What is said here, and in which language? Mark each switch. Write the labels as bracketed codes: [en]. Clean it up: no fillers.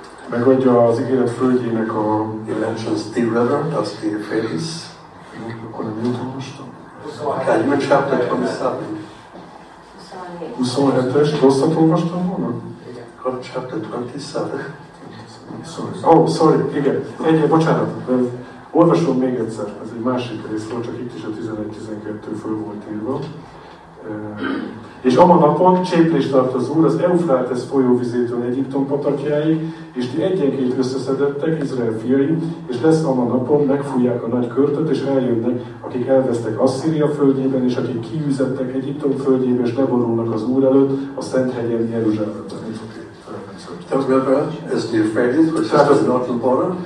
[hu] megadja az ígéret földjének a... [en] He mentions the river, that's the Euphrates. [hu] Akkor nem jutom most. [en] Okay, you're in chapter 27. [hu] 27-es, rosszat olvastam volna? Akkor chapter 27. [en] Sorry. Oh, sorry, [hu] igen. Bocsánat. Olvasom még egyszer, ez egy másik rész volt, csak itt is a 11-12 föl volt írva. És aman napon cséplést tart az Úr az Eufrátesz folyóvizétől Egyiptom patakjáig, és ti egyenként összeszedettek, Izrael fiai, és lesz aman napon, megfújják a nagy körtöt, és eljönnek, akik elvesztek Asszíria földjében, és akik kiűzettek Egyiptom földjébe, és leborulnak az Úr előtt a Szent hegyen Jeruzsálemben. [en] The river is the Euphrates, which is the northern border.